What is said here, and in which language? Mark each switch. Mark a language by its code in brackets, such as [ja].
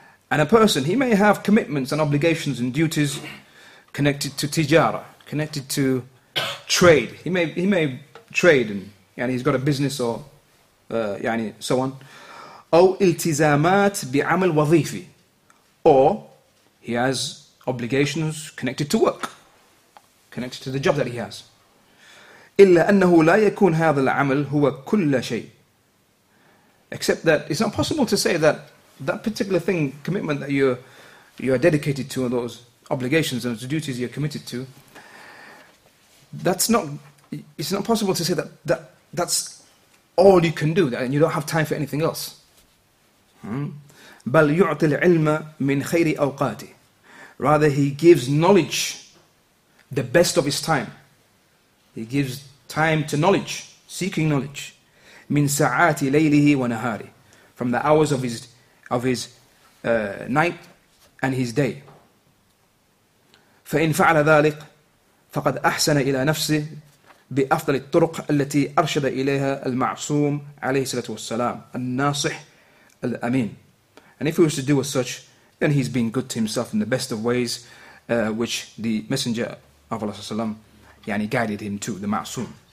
[en] And a person, he may have commitments and obligations and duties connected to tijara, connected to trade. He may trade and he's got a business or so on. [ar] أو التزامات بعمل وظيفي. [en] Or he has obligations connected to work, connected to the job that he has. [ar] إلا أنه لا يكون هذا العمل هو كل شيء. [en] Except that it's not possible to say that that particular thing, commitment that you're dedicated to, those obligations and those duties you're committed to, it's not possible to say that that's all you can do, and you don't have time for anything else. [ar] بَلْ يُعْطِ الْعِلْمَ مِنْ خَيْرِ أَوْقَاتِ. [en] Rather, he gives knowledge the best of his time. He gives time to knowledge, seeking knowledge. [ar] مِنْ سَعَاتِ لَيْلِهِ وَنَهَارِ. [en] From the hours of his night and his day. [ar] فَإِنْ فَعَلَ ذَلِقَ فَقَدْ أَحْسَنَ إِلَى نَفْسِهِ بأفضل الطرق التي أرشد إليها المعصوم عليه الصلاة والسلام الناصح الأمين. [en] And if he was to do as such, then he's been good to himself in the best of ways, which the Messenger of Allah guided him to, the معصوم.